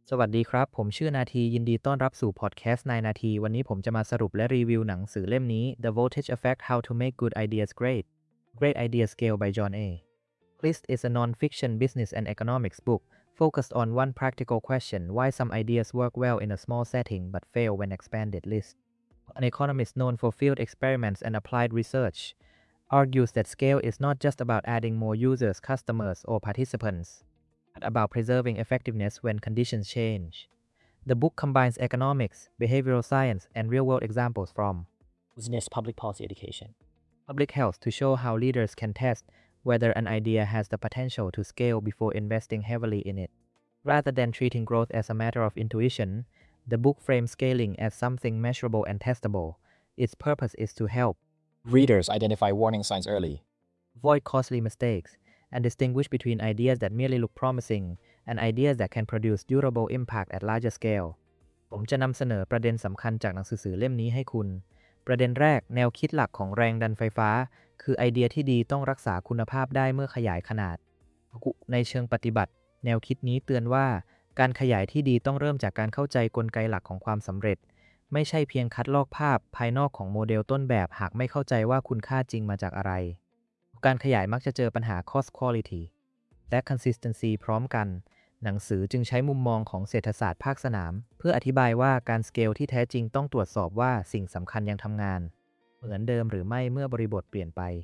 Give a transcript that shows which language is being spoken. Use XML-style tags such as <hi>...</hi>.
<th>สวัสดีครับผมชื่อนาทียินดีต้อนรับสู่พอดแคสต์9นาทีวันนี้ผมจะมาสรุปและรีวิวหนังสือเล่มนี้ The Voltage Effect How to Make Good Ideas Great Great Ideas Scale by John A.</th> <en>Clist is a non-fiction business and economics book focused on one practical question why some ideas work well in a small setting but fail when expanded. List an economist known for field experiments and applied research argues that scale is not just about adding more users, customers or participants. About preserving effectiveness when conditions change. The book combines economics, behavioral science, and real-world examples from business, public policy, education, public health to show how leaders can test whether an idea has the potential to scale before investing heavily in it. Rather than treating growth as a matter of intuition, the book frames scaling as something measurable and testable. Its purpose is to help readers identify warning signs early, avoid costly mistakes,and distinguish between ideas that merely look promising and ideas that can produce durable impact at larger scale.</en> <th>ผมจะนำเสนอประเด็นสำคัญจากหนังสือเล่มนี้ให้คุณ ประเด็นแรกแนวคิดหลักของแรงดันไฟฟ้าคือไอเดียที่ดีต้องรักษาคุณภาพได้เมื่อขยายขนาด ในเชิงปฏิบัติแนวคิดนี้เตือนว่าการขยายที่ดีต้องเริ่มจากการเข้าใจกลไกหลักของความสำเร็จไม่ใช่เพียงคัดลอกภาพภายนอกของโมเดลต้นแบบหากไม่เข้าใจว่าคุณค่าจริงมาจากอะไรการขยายมักจะเจอปัญหา cost quality และ consistency พร้อมกันหนังสือจึงใช้มุมมองของเศรษฐศาสตร์ภาคสนามเพื่ออธิบายว่าการ scale ที่แท้จริงต้องตรวจสอบว่าสิ่งสำคัญยังทำงานเหมือนเดิมหรือไม่เมื่อบริบทเปลี่ยนไป</th>